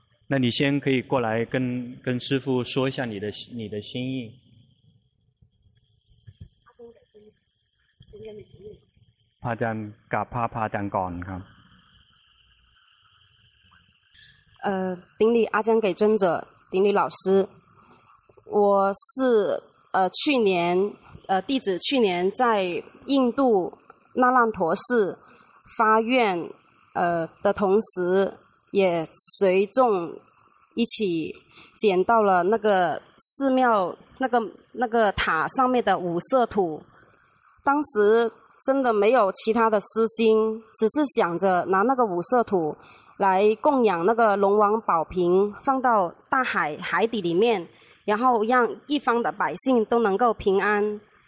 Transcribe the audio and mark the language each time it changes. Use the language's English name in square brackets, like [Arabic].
[Chinese] 那你先可以过来跟师父说一下你的心意。 [Thai] พระอาจารย์กราบพระอาจารย์ก่อนครับ [Chinese] 顶礼阿江给尊者，顶礼老师，我是去年弟子去年在印度那烂陀寺发愿的同时，也随众一起捡到了那个寺庙那个塔上面的五色土，当时真的没有其他的私心，只是想着拿那个五色土来供养那个龙王宝瓶，放到大海海底里面，然后让一方的百姓都能够平安。